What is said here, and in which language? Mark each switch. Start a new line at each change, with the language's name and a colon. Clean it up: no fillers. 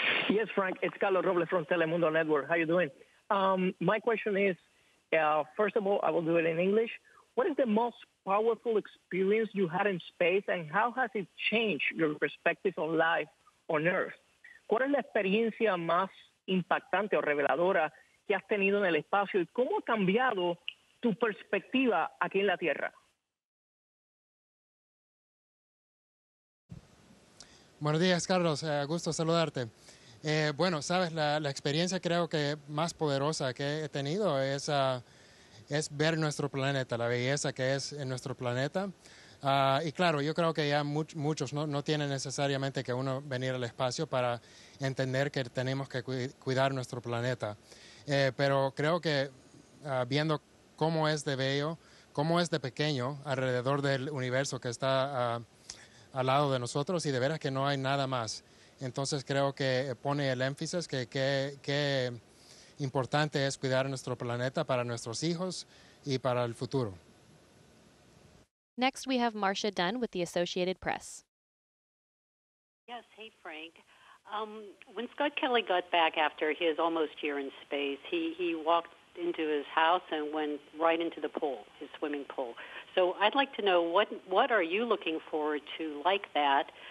English: Yes, Frank. It's Carlos Robles from Telemundo Network. How are you doing? My question is, first of all, I will do it in English. What is the most powerful experience you had in space, and how has it changed your perspective on life on Earth?
Spanish: ¿Cuál es la experiencia más impactante o reveladora que has tenido en el espacio, y cómo ha cambiado tu perspectiva aquí en la Tierra? Buenos días, Carlos. Gusto saludarte. Sabes, la experiencia creo que más poderosa que he tenido es ver nuestro planeta, la belleza que es en nuestro planeta. Y claro, yo creo que ya muchos no tienen necesariamente que uno venir al espacio para entender que tenemos que cuidar nuestro planeta. Pero creo que viendo cómo es de bello, cómo es de pequeño alrededor del universo que está al lado de nosotros, y de veras que no hay nada más. Entonces creo que pone el énfasis que qué importante es cuidar nuestro planeta para nuestros hijos y para el futuro.
English: Next, we have Marcia Dunn with the Associated Press. Yes, hey, Frank. When Scott Kelly got back after his almost year in space, he walked into his house and went right into the pool, his swimming pool. So I'd like to know, what are you looking forward to like that?